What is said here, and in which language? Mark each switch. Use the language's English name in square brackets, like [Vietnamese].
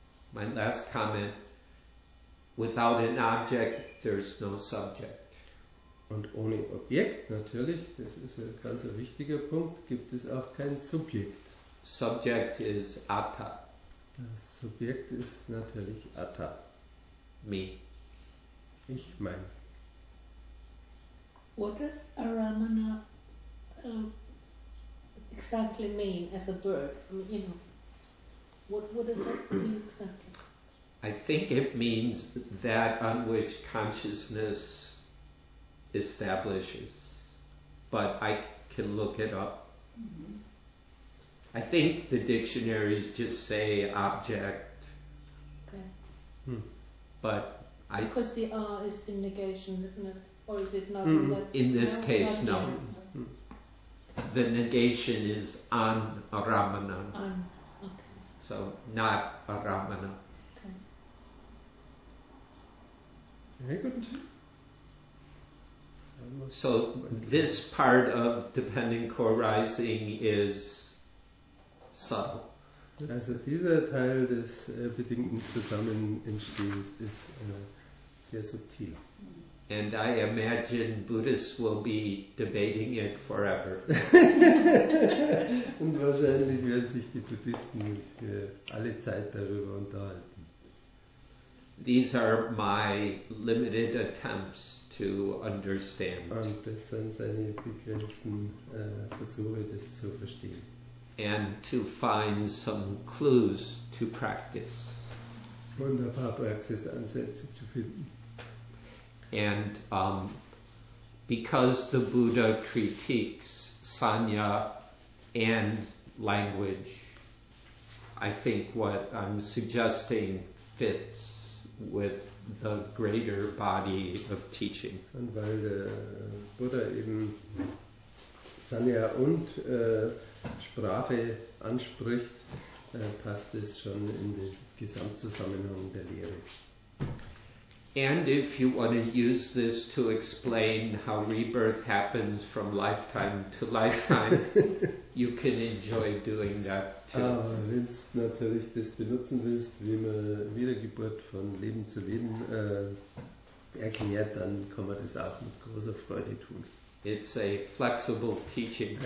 [English] My last comment, without an object, there's no subject. [German] Und ohne Objekt natürlich, das ist ein ganz wichtiger Punkt, gibt es auch kein Subjekt. [English] Subject is Atta. [German] Das Subjekt ist natürlich Atta. [English] Me. [German] Ich mein. [English] What does Aramana exactly mean as a verb? I mean, you know. What does that mean exactly? I think it means that on which consciousness establishes. But I can look it up. Mm-hmm. I think the dictionaries just say object. Okay. But I... Because the R is the negation, isn't it? Or is it not? In this case, no. The negation is an aramana. So, not a Ramana. Okay. Very good. So, this part of dependent core rising is subtle. [German] Also, dieser Teil des bedingten Zusammenentstehens ist sehr subtil. [English] And I imagine Buddhists will be debating it forever. [German] Und wahrscheinlich werden sich die Buddhisten für alle Zeit darüber unterhalten. [English] These are my limited attempts to understand. [German] Und das sind seine begrenzten Versuche, das zu verstehen. [English] And to find some clues to practice. [German] Und ein paar Praxisansätze zu finden. [English] And because the Buddha critiques sannya and language, I think what I'm suggesting fits with the greater body of teaching. [German] Und weil der Buddha eben Sanya und Sprache anspricht, passt es schon in den Gesamtzusammenhang der Lehre. [English] And if you want to use this to explain how rebirth happens from lifetime to lifetime, you can enjoy doing that too. [German] Wenn du natürlich das benutzen willst, wie man Wiedergeburt von Leben zu Leben erklärt, dann kann man das auch mit großer Freude tun. [English] It's a flexible teaching.